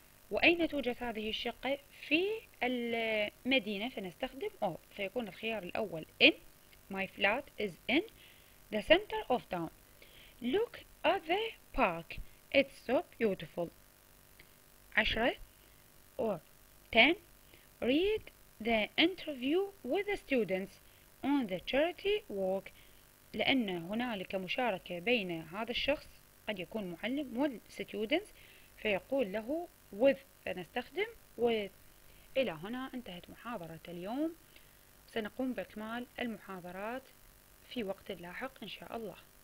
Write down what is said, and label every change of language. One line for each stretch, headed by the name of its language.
Arabic: وأين توجد هذه الشقة؟ في المدينة، فنستخدم of. فيكون الخيار الأول in.
English: My flat is in the center of town. Look at the park. It's so beautiful. 10 or 10. Read the interview with the students on the charity walk.
Arabic: لأن هنالك مشاركة بين هذا الشخص، قد يكون معلم، والستودنتس، فيقول له with، فنستخدم with. إلى هنا انتهت محاضرة اليوم. سنقوم بإكمال المحاضرات في وقت لاحق إن شاء الله.